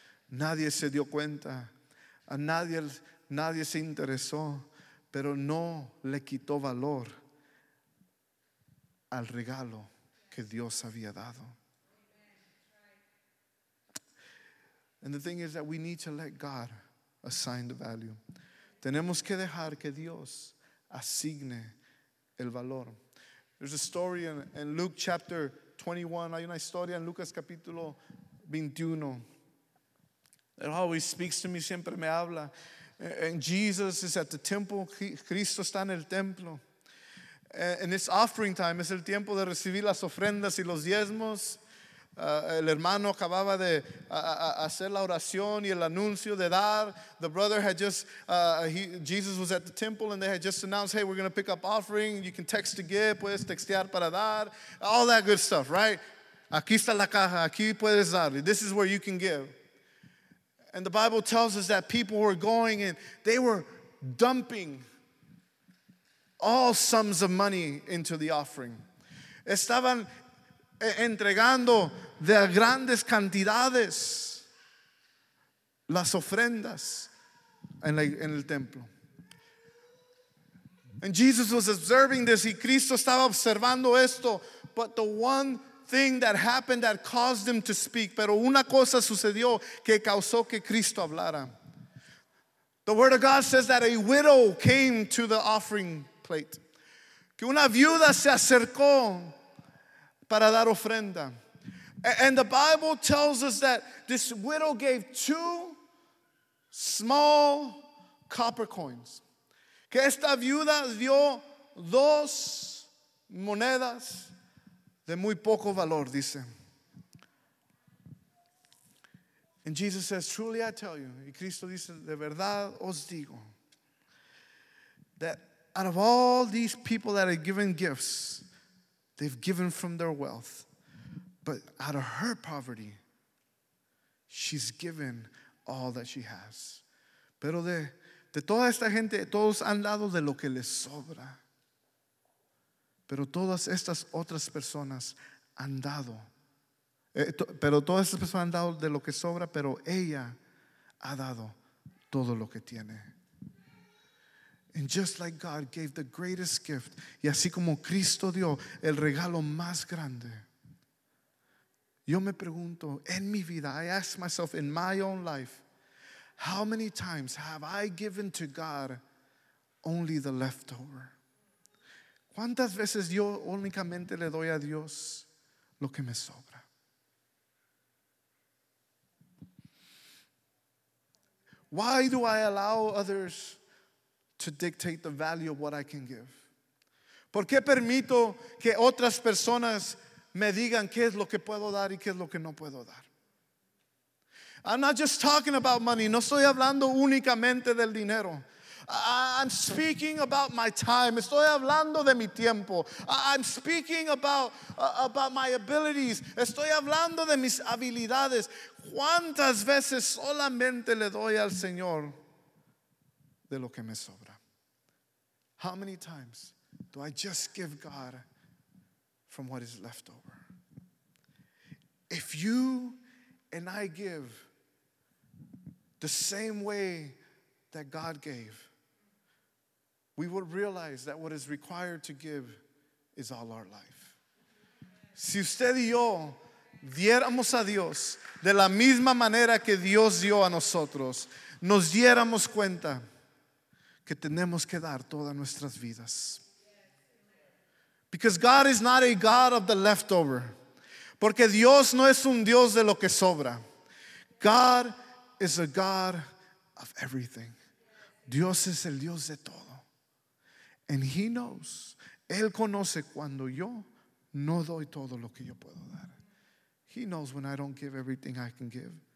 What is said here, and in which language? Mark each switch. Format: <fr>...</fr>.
<es>Nadie se dio cuenta. A nadie se interesó. Pero no le quitó valor al regalo que Dios había dado.</es> <en>And the thing is that we need to let God assign the value.</en> <es>Tenemos que dejar que Dios asigne el valor.</es> <en>There's a story in Luke chapter 21.</en> <es>Hay una historia en Lucas capítulo 21.</es> <en>It always speaks to me,</en> <es>siempre me habla.</es> <en>And Jesus is at the temple.</en> <es>Cristo está en el templo.</es> <en>And it's offering time.</en> <es>Es el tiempo de recibir las ofrendas y los diezmos. El hermano acababa de hacer la oración y el anuncio de dar.</es> <en>The brother had just, Jesus was at the temple and they had just announced, hey, we're going to pick up offering. You can text to give,</en> <es>puedes textear para dar.</es> <en>All that good stuff, right?</en> <es>Aquí está la caja, aquí puedes dar.</es> <en>This is where you can give. And the Bible tells us that people were going and they were dumping all sums of money into the offering.</en> <es>Estaban entregando de grandes cantidades las ofrendas en el templo.</es> <en>And Jesus was observing this.</en> <es>Y Cristo estaba observando esto.</es> <en>But the one thing that happened that caused him to speak.</en> <es>Pero una cosa sucedió que causó que Cristo hablara.</es> <en>The word of God says that a widow came to the offering plate.</en> <es>Que una viuda se acercó para dar ofrenda.</es> <en>And the Bible tells us that this widow gave two small copper coins.</en> <es>Que esta viuda dio dos monedas de muy poco valor, dice.</es> <en>And Jesus says, truly I tell you,</en> <es>y Cristo dice, de verdad os digo,</es> <en>that out of all these people that have given gifts, they've given from their wealth. But out of her poverty, she's given all that she has.</en> <es>Pero de toda esta gente, todos han dado de lo que les sobra. Pero todas estas otras personas han dado. Pero todas estas personas han dado de lo que sobra, pero ella ha dado todo lo que tiene.</es> <en>And just like God gave the greatest gift,</en> <es>y así como Cristo dio el regalo más grande, yo me pregunto, en mi vida,</es> <en>I ask myself in my own life, how many times have I given to God only the leftover?</en> <es>¿Cuántas veces yo únicamente le doy a Dios lo que me sobra?</es> <en>Why do I allow others to dictate the value of what I can give?</en> <es>¿Por qué permito que otras personas me digan qué es lo que puedo dar y qué es lo que no puedo dar?</es> <en>I'm not just talking about money.</en> <es>No estoy hablando únicamente del dinero.</es> <en>I'm speaking about my time.</en> <es>Estoy hablando de mi tiempo.</es> <en>I'm speaking about my abilities.</en> <es>Estoy hablando de mis habilidades. ¿Cuántas veces solamente le doy al Señor de lo que me sobra?</es> <en>How many times do I just give God from what is left over? If you and I give the same way that God gave, we will realize that what is required to give is all our life.</en> <es>Si usted y yo diéramos a Dios de la misma manera que Dios dio a nosotros, nos diéramos cuenta que tenemos que dar todas nuestras vidas.</es> <en>Because God is not a God of the leftover.</en> <es>Porque Dios no es un Dios de lo que sobra.</es> <en>God is a God of everything.</en> <es>Dios es el Dios de todo.</es> <en>And He knows.</en> <es>Él conoce cuando yo no doy todo lo que yo puedo dar.</es> <en>He knows when I don't give everything I can give.</en>